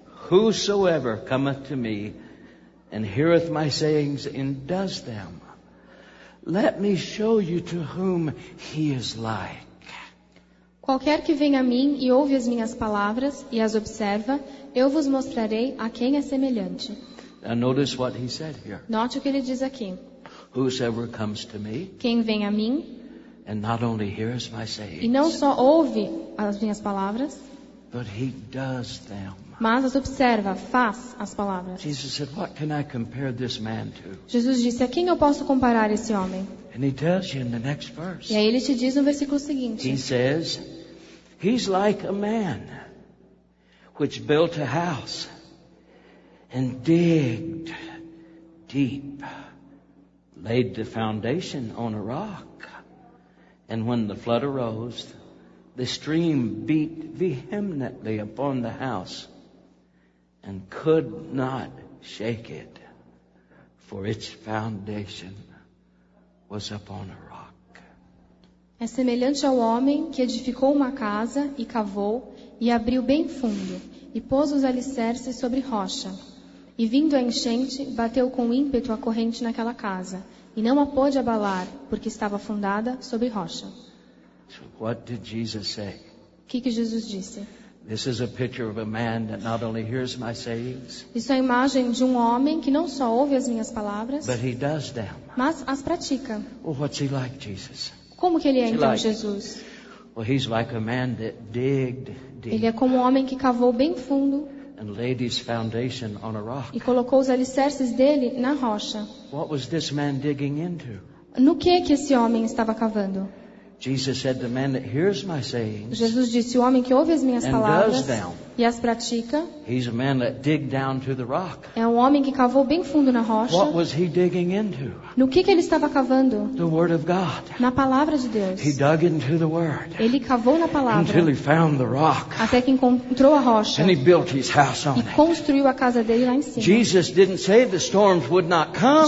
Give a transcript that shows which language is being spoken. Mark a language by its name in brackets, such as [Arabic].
[English] Whosoever cometh to me and heareth my sayings and does them, let me show you to whom he is like. [Portuguese] Qualquer que venha a mim e ouve as minhas palavras e as observa, eu vos mostrarei a quem é semelhante. [English] Now notice what he said here. [Portuguese] Note o que ele diz aqui. [English] Whosoever comes to me. [Portuguese] Quem vem a mim. [English] And not only hears my sayings. [Portuguese] E não só ouve as minhas palavras. [English] But he does them. [Portuguese] Mas as observa, faz as palavras. [English] Jesus said, "What can I compare this man to?" [Portuguese] Jesus disse, a quem eu posso comparar esse homem? [English] And he tells you in the next verse. [Portuguese] E aí ele te diz no versículo seguinte. [English] He says, "He's like a man which built a house and digged deep, laid the foundation on a rock, and when the flood arose, the stream beat vehemently upon the house." And could not shake it, for its foundation was upon a rock. [Portuguese] É semelhante ao homem que edificou uma casa e cavou e abriu bem fundo e pôs os alicerces sobre rocha. E vindo a enchente, bateu com ímpeto a corrente naquela casa e não a pôde abalar, porque estava fundada sobre rocha. [English] So what did Jesus say? [Portuguese] Que Jesus disse? [English] This is a picture of a man that not only hears my sayings. [Portuguese] Isso é a imagem de um homem que não só ouve as minhas palavras, [English] but he does them. [Portuguese] Mas as pratica. [English] Well, what's he like, Jesus? [Portuguese] Como que ele é então, Jesus? [English] Well, he's like a man that digged deep. [Portuguese] Ele é como um homem que cavou bem fundo. [English] And laid his foundation on a rock. [Portuguese] E colocou os alicerces dele na rocha. [English] What was this man digging into? [Portuguese] No que esse homem estava cavando? [English] Jesus said, "The man that hears my sayings." [Portuguese] Jesus disse, o homem que ouve as minhas palavras e as pratica. [English] He's a man that digged down to the rock. [Portuguese] É um homem que cavou bem fundo na rocha. [English] What was he digging into? [Portuguese] No que ele estava cavando? [English] The word of God. [Portuguese] Na palavra de Deus. [English] He dug into the word. [Portuguese] Ele cavou na palavra. [English] Until he found the rock. [Portuguese] Até que encontrou a rocha. [English] And he built his house on it. [Portuguese] E construiu a casa dele lá em cima. [English] Jesus didn't say the storms would not come.